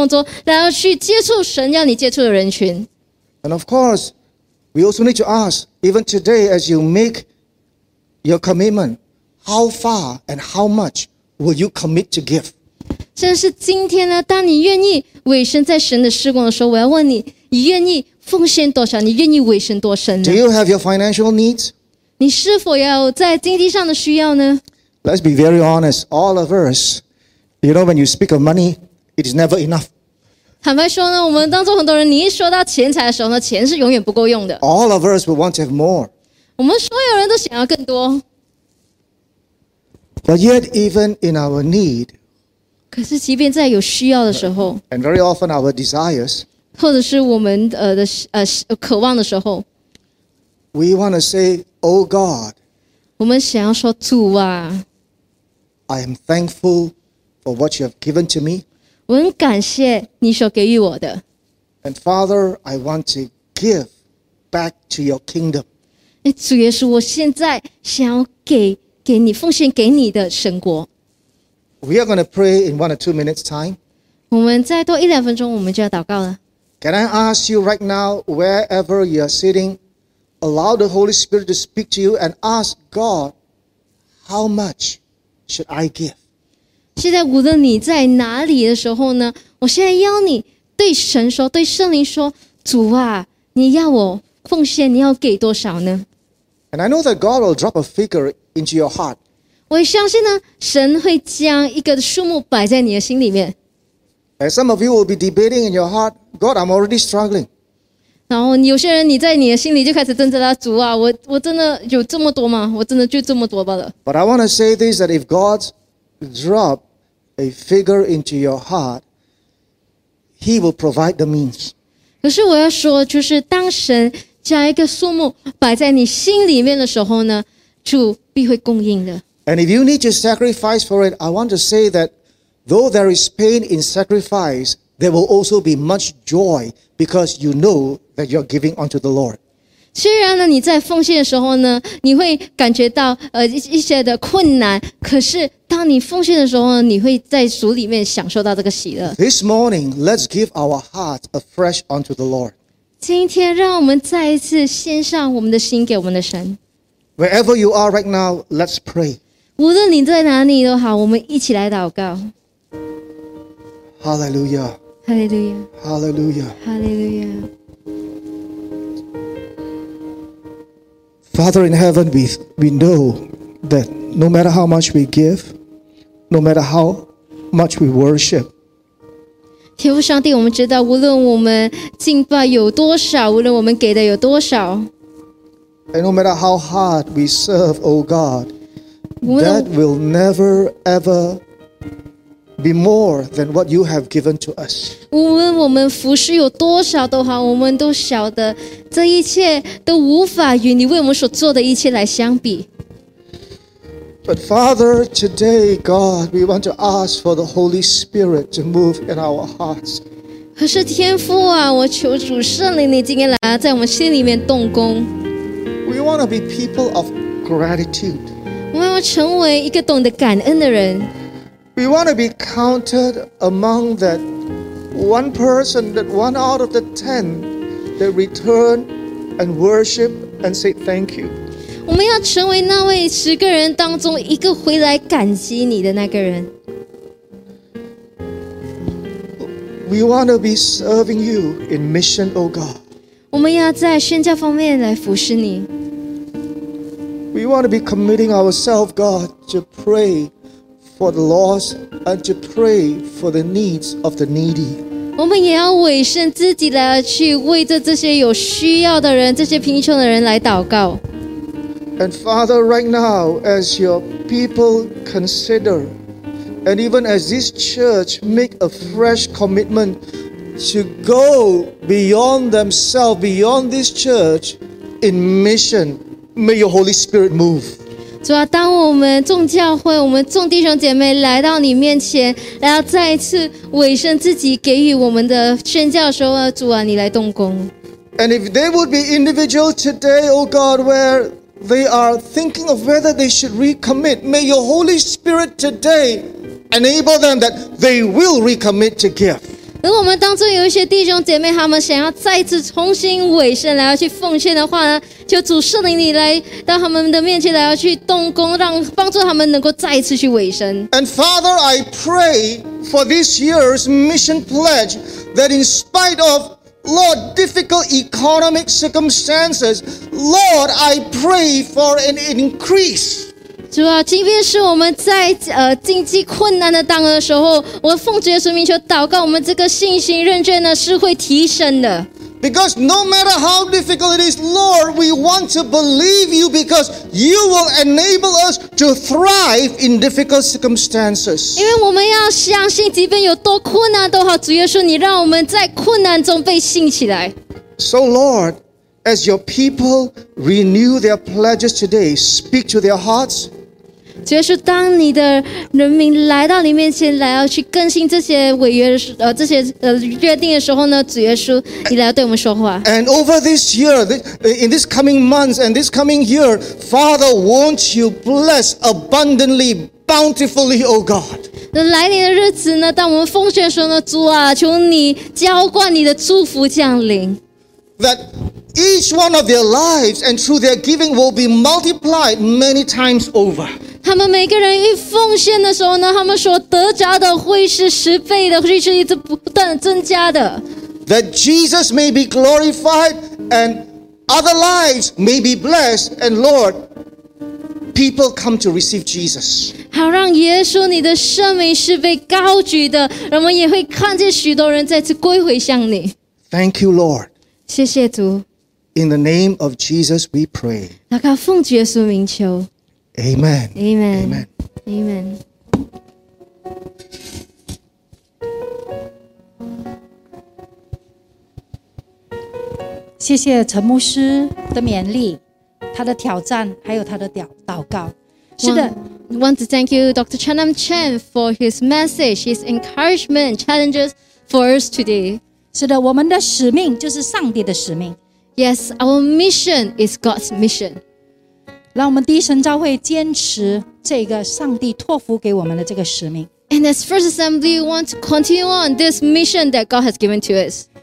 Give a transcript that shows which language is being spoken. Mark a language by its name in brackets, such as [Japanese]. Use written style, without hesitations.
[Chinese] 然后有些人当中呢，神现在对你说话，可能你的经历就要像这个乔治一样，你虽然有一个非常稳定的收入，你的这个经济收入都很好，可是神现在要你去踏出信息的另外一步，然后去参与在神的事工中，然后去接触神要你接触的人群。 [English] And of course, we also need to ask, even today as you make your commitment, how far and how much will you commit to give? [Chinese] 但是今天呢，当你愿意委身在神的事工的时候，我要问你，你愿意奉献多少？你愿意委身多深呢？ [English] Do you have your financial needs? [Chinese] 你是否要在经济上的需要呢？ [English] Let's be very honest, all of us, you know, when you speak of money, it is never enough. [Chinese] 坦白说呢，我们当中很多人，你一说到钱财的时候呢，钱是永远不够用的。 [English] All of us will want to have more. [Chinese] 我们所有人都想要更多。 [English] But yet, even in our need, [Chinese] 可是即便在有需要的时候 [English] ，and very often our desires, [Chinese] 或者是我们渴望的时候 [English] ，we want to say, "Oh God." [Chinese] 我们想要说主啊 [English] ，I am thankful for what you have given to me. [Chinese] 我很感谢你所给予我的。 [English] And Father, I want to give back to your kingdom. [Chinese] 主耶稣，我现在想要给你奉献给你的神国。 [English] We are going to pray in 1 or 2 minutes' time. [Chinese] 我们再多一两分钟，我们就要祷告了。 [English] Can I ask you right now, wherever you are sitting, allow the Holy Spirit to speak to you and ask God, how much should I give? [Chinese] 现在无论你在哪里的时候呢，我现在邀你对神说，对圣灵说，主啊，你要我奉献，你要给多少呢？ [English] And I know that God will drop a figure into your heart. [Chinese] 我相信呢，神会将一个数目摆在你的心里面。 [English] And some of you will be debating in your heart, God, I'm already struggling. [Chinese] 然后有些人你在你的心里就开始挣扎了，主啊，我真的有这么多吗？我真的就这么多罢了。 [English] But I want to say this, that if God drop a figure into your heart, He will provide the means. [Chinese] 可是我要说，就是当神将一个数目摆在你心里面的时候呢，主必会供应的。 [English] And if you need to sacrifice for it, I want to say that though there is pain in sacrifice, there will also be much joy because you know that you're giving unto the Lord. [Chinese] 虽然呢，你在奉献的时候呢，你会感觉到一些的困难，可是当你奉献的时候呢，你会在主里面享受到这个喜乐。 [English] This morning, let's give our hearts afresh unto the Lord. [Chinese] 今天让我们再一次献上我们的心给我们的神。 [English] Wherever you are right now, let's pray. [Chinese] 无论你在哪里都好，我们一起来祷告。 [English] Hallelujah. Hallelujah. Hallelujah. Hallelujah. Father in heaven, we know that no matter how much we give, no matter how much we worship. [Chinese] 天父上帝，我们知道，无论我们敬拜有多少，无论我们给的有多少。 [English] And no matter how hard we serve, O God, that will never ever be more than what you have given to us. [Chinese] 无论我们服侍有多少都好，我们都晓得这一切都无法与你为我们所做的一切来相比。 [English] But Father, today, God, we want to ask for the Holy Spirit to move in our hearts. [Chinese] 可是天父啊，我求主圣灵，你今天来在我们心里面动工。 [English] We want to be people of gratitude. [Chinese] 我们要成为一个懂得感恩的人。 [English] We want to be counted among that one person, that one out of the 10 that return and worship and say thank you. [Chinese] 我们要成为那位十个人当中一个回来感激你的那个人。 [English] We want to be serving you in mission, O God. [Chinese] 我们要在宣教方面来服侍你。 [English] We want to be committing ourselves, God, to pray for the lost and to pray for the needs of the needy. [Chinese] 我们也要委身自己来去为着这些有需要的人，这些贫穷的人来祷告。 [English] And Father, right now, as your people consider, and even as this church make a fresh commitment to go beyond themselves, beyond this church, in mission,May your Holy Spirit move. [Chinese] 主啊，当我们众教会，我们众弟兄姐妹来到你面前，来到再一次委身自己给予我们的宣教的时候，主啊，你来动工。 [English] And if they would be individual today, O God, where they are thinking of whether they should recommit, may your Holy Spirit today enable them that they will recommit to give. [Chinese] 如果我们当中有一些弟兄姐妹，他们想要再次重新委身来要去奉献的话呢，就主圣灵你来到他们的面前，来要去动工，让帮助他们能够再一次去委身。 [English] And Father, I pray for this year's mission pledge that in spite of Lord difficult economic circumstances, Lord, I pray for an increase. [Chinese] 主啊，即便是我们在经济困难的当的时候，我奉主耶稣名求祷告，我们这个信心认罪呢是会提升的。 [English] Because no matter how difficult it is, Lord, we want to believe you because you will enable us to thrive in difficult circumstances. [Chinese] 因为我们要相信，即便有多困难都好，主耶稣，你让我们在困难中被兴起来。 [English] So, Lord, as your people renew their pledges today, speak to their hearts. [Chinese] 主耶稣，当你的人民来到你面前，来要去更新这些违约这些约定的时候呢，主耶稣，你来要对我们说话。 [English] And over this year, in this coming months and this coming year, Father, won't you bless abundantly, bountifully, O God? [Chinese] 来临的日子呢，当我们奉献的时候呢，主啊，求你浇灌你的祝福降临。 [English] That each one of their lives and through their giving will be multiplied many times over. [Chinese] 他们每个人一奉献的时候呢，他们所得着的会是十倍的，会是一直不断增加的。 [English] That Jesus may be glorified and other lives may be blessed, and Lord, people come to receive Jesus. [Chinese] 好，让耶稣你的圣名是被高举的，我们也会看见许多人再次归回向你。 [English] Thank you, Lord. [Chinese] 谢谢主。 [English] In the name of Jesus, we pray. [Chinese] 那靠奉耶稣名求。 [English] Amen. Amen. Amen. Amen. Thank you, [Chinese] 陈牧师的勉励，他的挑战，还有他的祷告。是的。 [English] Want to thank you, Dr. Chanam Chen, for his message, his encouragement, challenges for us today. [Chinese] 是的，我们的使命就是上帝的使命。 [English] Yes, our mission is God's mission. [Chinese] 让我们第一神召会坚持这个上帝托付给我们的这个使命。 [English] And as First Assembly, we want to continue on this mission that God has given to us.